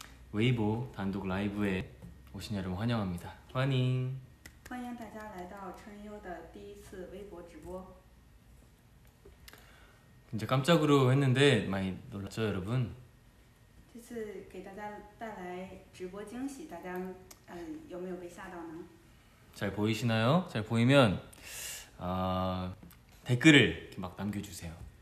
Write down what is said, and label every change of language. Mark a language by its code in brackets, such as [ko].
[ko] 웨이보 단독 라이브에 오신 여러분 환영합니다. 환영. [zh] 欢迎大家来到春优的第一次微博直播。 [ko] 진짜 깜짝으로 했는데 많이 놀랐죠, 여러분? [zh] 这次给大家带来直播惊喜，大家有没有被吓到呢？ [ko] 잘 보이시나요? 잘 보이면 댓글을 이렇게 막 남겨주세요.